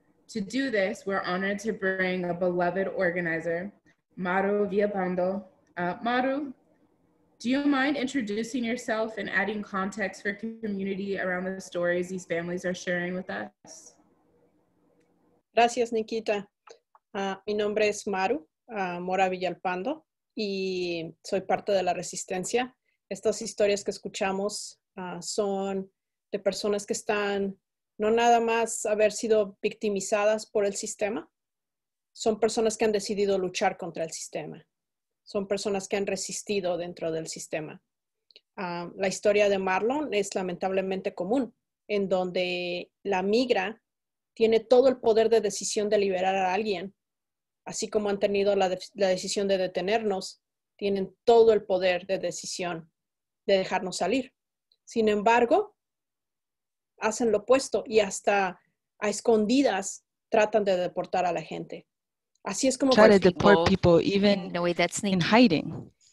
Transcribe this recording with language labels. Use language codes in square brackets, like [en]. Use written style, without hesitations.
[en] To do this, we're honored to bring a beloved organizer, Maru Villabando. Maru, do you mind introducing yourself and adding context for community around the stories these families are sharing with us? [es] Gracias, Nikita. Mi nombre es Maru Mora Villalpando y soy parte de la Resistencia. Estas historias que escuchamos son de personas que están no nada más haber sido victimizadas por el sistema, son personas que han decidido luchar contra el sistema. Son personas que han resistido dentro del sistema. La historia de Marlon es lamentablemente común, en donde la migra tiene todo el poder de decisión de liberar a alguien, así como han tenido la decisión de detenernos, tienen todo el poder de decisión de dejarnos salir. Sin embargo, hacen lo opuesto y hasta a escondidas tratan de deportar a la gente. Así es como [en] try to deport people even in a way that's in hiding.